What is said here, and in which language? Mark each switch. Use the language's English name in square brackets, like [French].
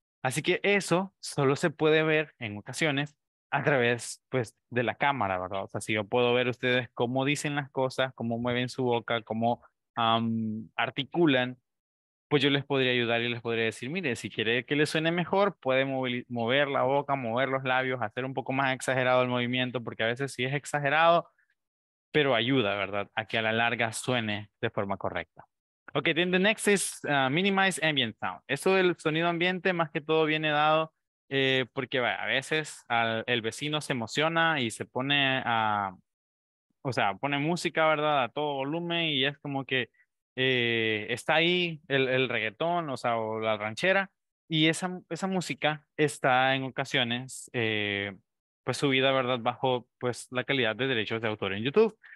[Spanish] Así que eso solo se puede ver en ocasiones a través, pues, de la cámara, ¿verdad? O sea, si yo puedo ver ustedes cómo dicen las cosas, cómo mueven su boca, cómo articulan, pues yo les podría ayudar y les podría decir, mire, si quiere que le suene mejor, puede mover la boca, mover los labios, hacer un poco más exagerado el movimiento, porque a veces sí es exagerado, pero ayuda, ¿verdad?, a que a la larga suene de forma correcta. [English] Okay, then the next is minimize ambient sound. [Spanish] Eso del sonido ambiente más que todo viene dado porque bueno, a veces el vecino se emociona y se pone a, o sea, pone música, ¿verdad?, a todo volumen y es como que está ahí el reggaetón, o sea, o la ranchera, y esa música está en ocasiones pues subida, ¿verdad?, bajo pues la calidad de derechos de autor en YouTube.